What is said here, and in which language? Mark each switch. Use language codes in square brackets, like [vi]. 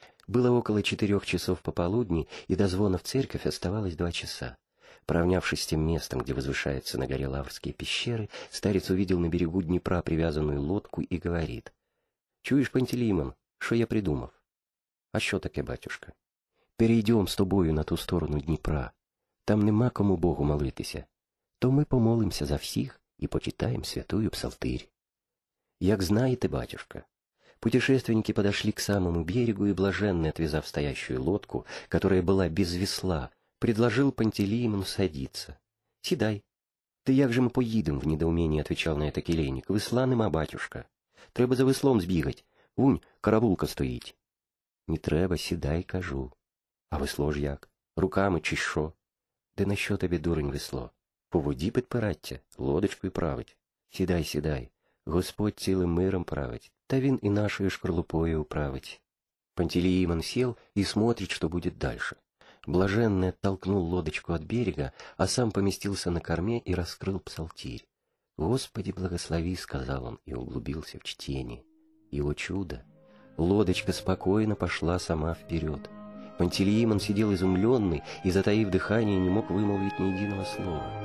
[ru] Было около 4 часов пополудни, и до звона в церковь оставалось 2 часа. Поравнявшись с тем местом, где возвышаются на горе Лаврские пещеры, старец увидел на берегу Днепра привязанную лодку и говорит: «Чуешь, Пантелеимон, что я придумав? А что так, батюшка? Перейдем с тобою на ту сторону Днепра. [uk] Там нема кому Богу молитися. [ru] То мы помолимся за всех и почитаем святую псалтырь». [uk] «Як знаете, батюшка». [ru] Путешественники подошли к самому берегу, и блаженный, отвязав стоящую лодку, которая была без весла, предложил Пантелеимону садиться. [uk] «Сидай». [ru] «Ты як же мы поедем?» — в недоумении отвечал на это келейник. [uk] «Весла нема, батюшка. Треба за веслом сбегать. Вунь, каравулка стоит». «Не треба, сидай, кажу». «А весло ж як? Руками чи що?» «Да на що тобі, дурень, весло? По воді підпираття, лодочкою править. Сідай, сідай, Господь цілим миром править, та він і нашою шкорлупою управить». Пантелеимон сел і смотрить, що буде дальше. [ru] Блаженный оттолкнул лодочку от берега, а сам поместился на корме и раскрыл псалтирь. «Господи, благослови», — сказал он и углубился в чтение. И, о чудо, лодочка спокойно пошла сама вперед. Пантелеимон сидел изумленный и, затаив дыхание, не мог вымолвить ни единого слова.